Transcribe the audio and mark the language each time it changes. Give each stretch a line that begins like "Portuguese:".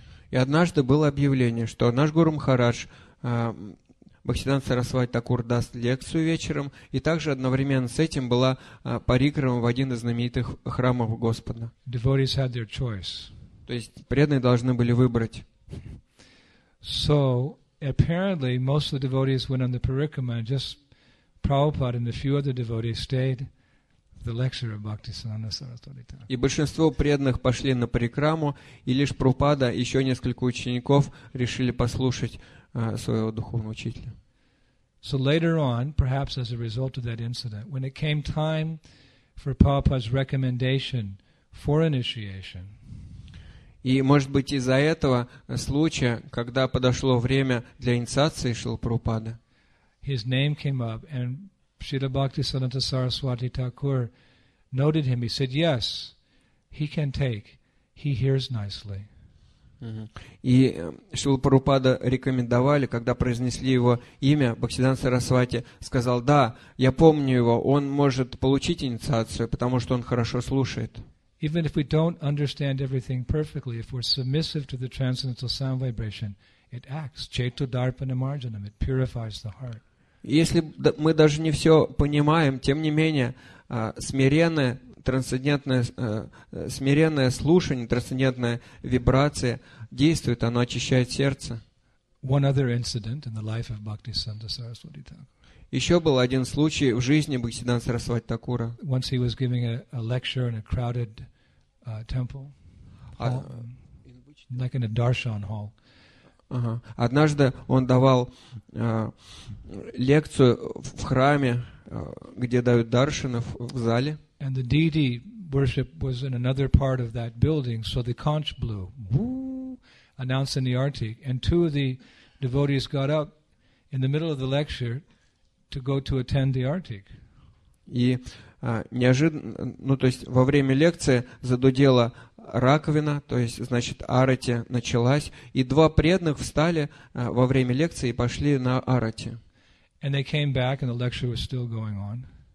Russian: И однажды было объявление, что наш Гуру Махарадж Бхактисиддханта Сарасвати Такур даст лекцию вечером, и также одновременно с этим была парикрама в один из знаменитых храмов Господа.
English: Devotees had their choice.
Russian: То есть преданные должны были выбрать.
English: So apparently most of the devotees went on the parikrama, and just Prabhupada and a few other devotees stayed the lecture of Bhaktisiddhanta Saraswati Thakur.
Russian: И большинство преданных пошли на парикраму, и лишь Прабхупада и еще несколько учеников решили послушать своего духовного учителя.
English: So later on, perhaps as a result of that incident, when it came time for Prabhupada's recommendation for initiation.
Russian: И, может быть, из-за этого случая, когда подошло время для инициации Шрилы Прабхупады,
English: his name came up, and Śrīla Bhaktisiddhānta Saraswati Thakur noted him. He said, "Yes, he can take. He hears nicely."
Russian: И Шрилу Прабхупада рекомендовали, когда произнесли его имя, Бхактисиддханта Сарасвати сказал: "Да, я помню его. Он может получить инициацию, потому что он хорошо слушает."
English: Even if we don't understand everything perfectly, if we're submissive to the transcendental sound vibration, it acts.
Sanskrit: Cheto darpana marjanam,
English: it purifies the heart.
Russian: Если мы даже не все понимаем, тем не менее, смиренное, трансцендентное, смиренное слушание, трансцендентная вибрация действует, оно очищает сердце.
English: One other incident in the life of Bhaktisiddhanta Saraswati Thakura.
Russian: Еще был один случай в жизни Бхактисиддханта Сарасвати Такура.
English: Once he was giving a lecture in a crowded temple, like in a darshan hall.
Russian: Однажды он давал лекцию в храме, где дают даршаны в зале.
English: And the deity worship was in another part of that building, so the conch blew, announced in the arti, and two of the devotees got up in the middle of the lecture to go to attend the Artic.
Russian: И неожиданно, ну, то есть во время лекции задудела раковина, то есть, значит, арати началась, и два преданных встали во время лекции и пошли на арати.
English: And they came back, and the lecture was still going on.